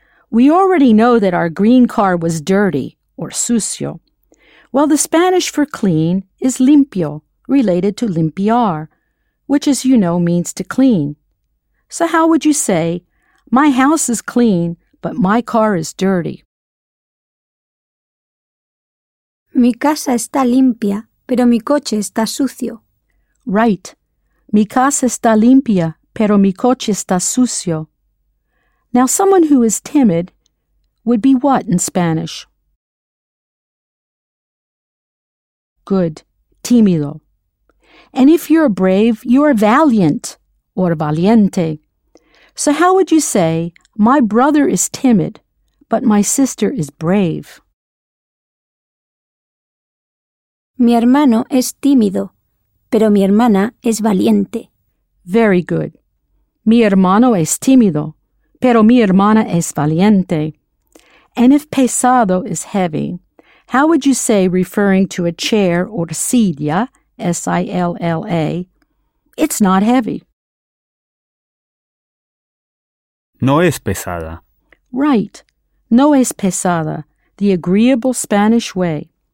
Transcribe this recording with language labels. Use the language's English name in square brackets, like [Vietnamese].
[English] We already know that our green car was dirty or sucio. Well, the Spanish for clean is limpio, related to limpiar, which, as you know, means to clean. So how would you say, my house is clean, but my car is dirty? [Spanish] Mi casa está limpia, pero mi coche está sucio. [English] Right. [Spanish] Mi casa está limpia, pero mi coche está sucio. [English] Now, someone who is timid would be what in Spanish? Good. Tímido. And if you're brave, you are valiant, or valiente. So how would you say, my brother is timid, but my sister is brave? [Spanish] Mi hermano es tímido, pero mi hermana es valiente. [English] Very good. [Spanish] Mi hermano es tímido, pero mi hermana es valiente. [English] And if pesado is heavy, how would you say, referring to a chair or silla, S-I-L-L-A, it's not heavy? [Spanish] No es pesada. [English] Right. [Spanish] No es pesada, [English] the agreeable Spanish way.